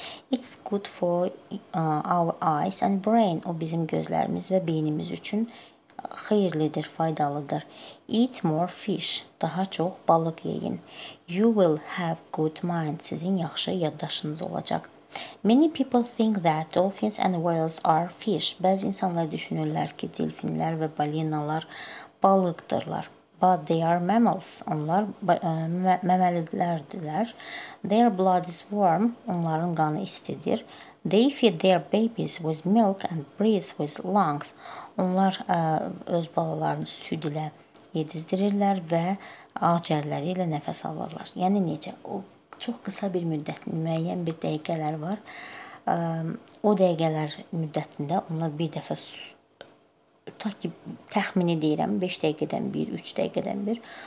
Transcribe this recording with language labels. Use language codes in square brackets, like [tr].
[en] It's good for our eyes and brain. [az] O bizim gözlərimiz və beynimiz üçün xeyirlidir, faydalıdır. [en] Eat more fish. [az] Daha çox balıq yeyin. [en] You will have good mind. [az] Sizin yaxşı yaddaşınız olacaq. [en] Many people think that dolphins and whales are fish. [az] Bəzi insanlar düşünürlər ki, delfinlər və balinalar balıqdırlar. [en] But they are mammals. [az] Onlar məməlilərdirlər. [en] Their blood is warm. [az] Onların qanı istidir. [en] They feed their babies with milk and breathe with lungs. [az] Onlar öz balalarını süd ilə yedizdirirlər və ağciyərləri ilə nəfəs alırlar. Yəni necə? O çox qısa bir müddət, müəyyən bir dəqiqələr var. O dəqiqələr müddətində onlar bir dəfə süd. Ta ki, təxmini deyirəm, 5 dəqiqədən bir, 3 dəqiqədən bir.